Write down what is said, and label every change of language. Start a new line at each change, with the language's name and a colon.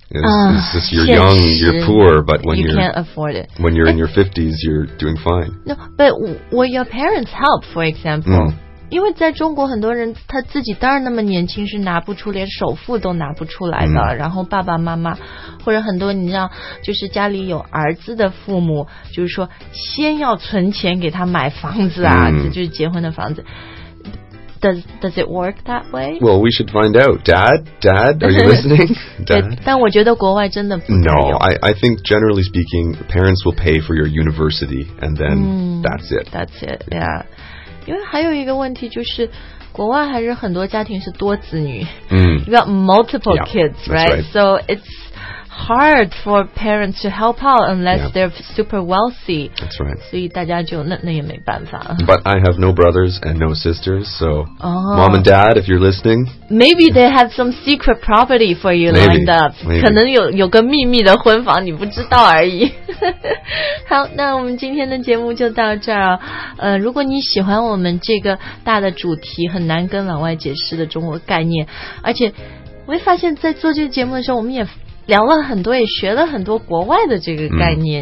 English: It's just you're young, you're poor, but when you can't afford it. When you're in your 50s, you're doing fine. No, but will your parents help, for example?、 Mm.
Chinese: 因为在中国很多人他自己当然那么年轻是拿不出连首付都拿不出来的、mm. 然后爸爸妈妈或者很多你知道就是家里有儿子的父母就是说先要存钱给他买房子啊、mm. 就是结婚的房子。
English: Does it work that way? Well, we should find out. Dad, are you listening? Dad?
Chinese: 但我觉得国外真的不太
English: 用。No, I think generally speaking, parents will pay for your university, and then、mm, that's it. That's it, yeah.
Chinese: 因为还有一个问题就是国外还是很多家庭是多子女、 mm.
English: You got multiple yeah, kids, right? right? So it's hard for parents to help out unless、 yeah. they're super wealthy. That's right.
Chinese: 所以大家就那也没办法。
English: But I have no brothers and no sisters, so、 oh. mom and dad, if you're listening. Maybe they have some secret property for you maybe, lined up. Maybe.
Chinese: 可能有个秘密的婚房你不知道而已。好那我们今天的节目就到这儿、如果你喜欢我们这个大的主题很难跟老外解释的中国概念而且我也发现在做这个节目的时候我们也聊了很多也学了很多国外的这个概念、